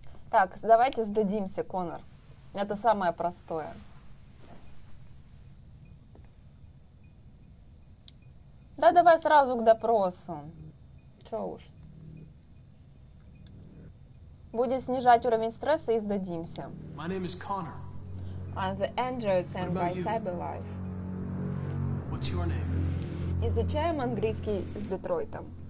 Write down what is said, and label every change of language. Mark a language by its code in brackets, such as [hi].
[ru] Так, давайте сдадимся, Коннор. Это самое простое. Да давай сразу к допросу. Чё уж. Будем снижать уровень стресса и сдадимся. [en] My name is Connor. I'm the android sent by CyberLife. What's your name? [ru] Изучаем английский с Детройтом.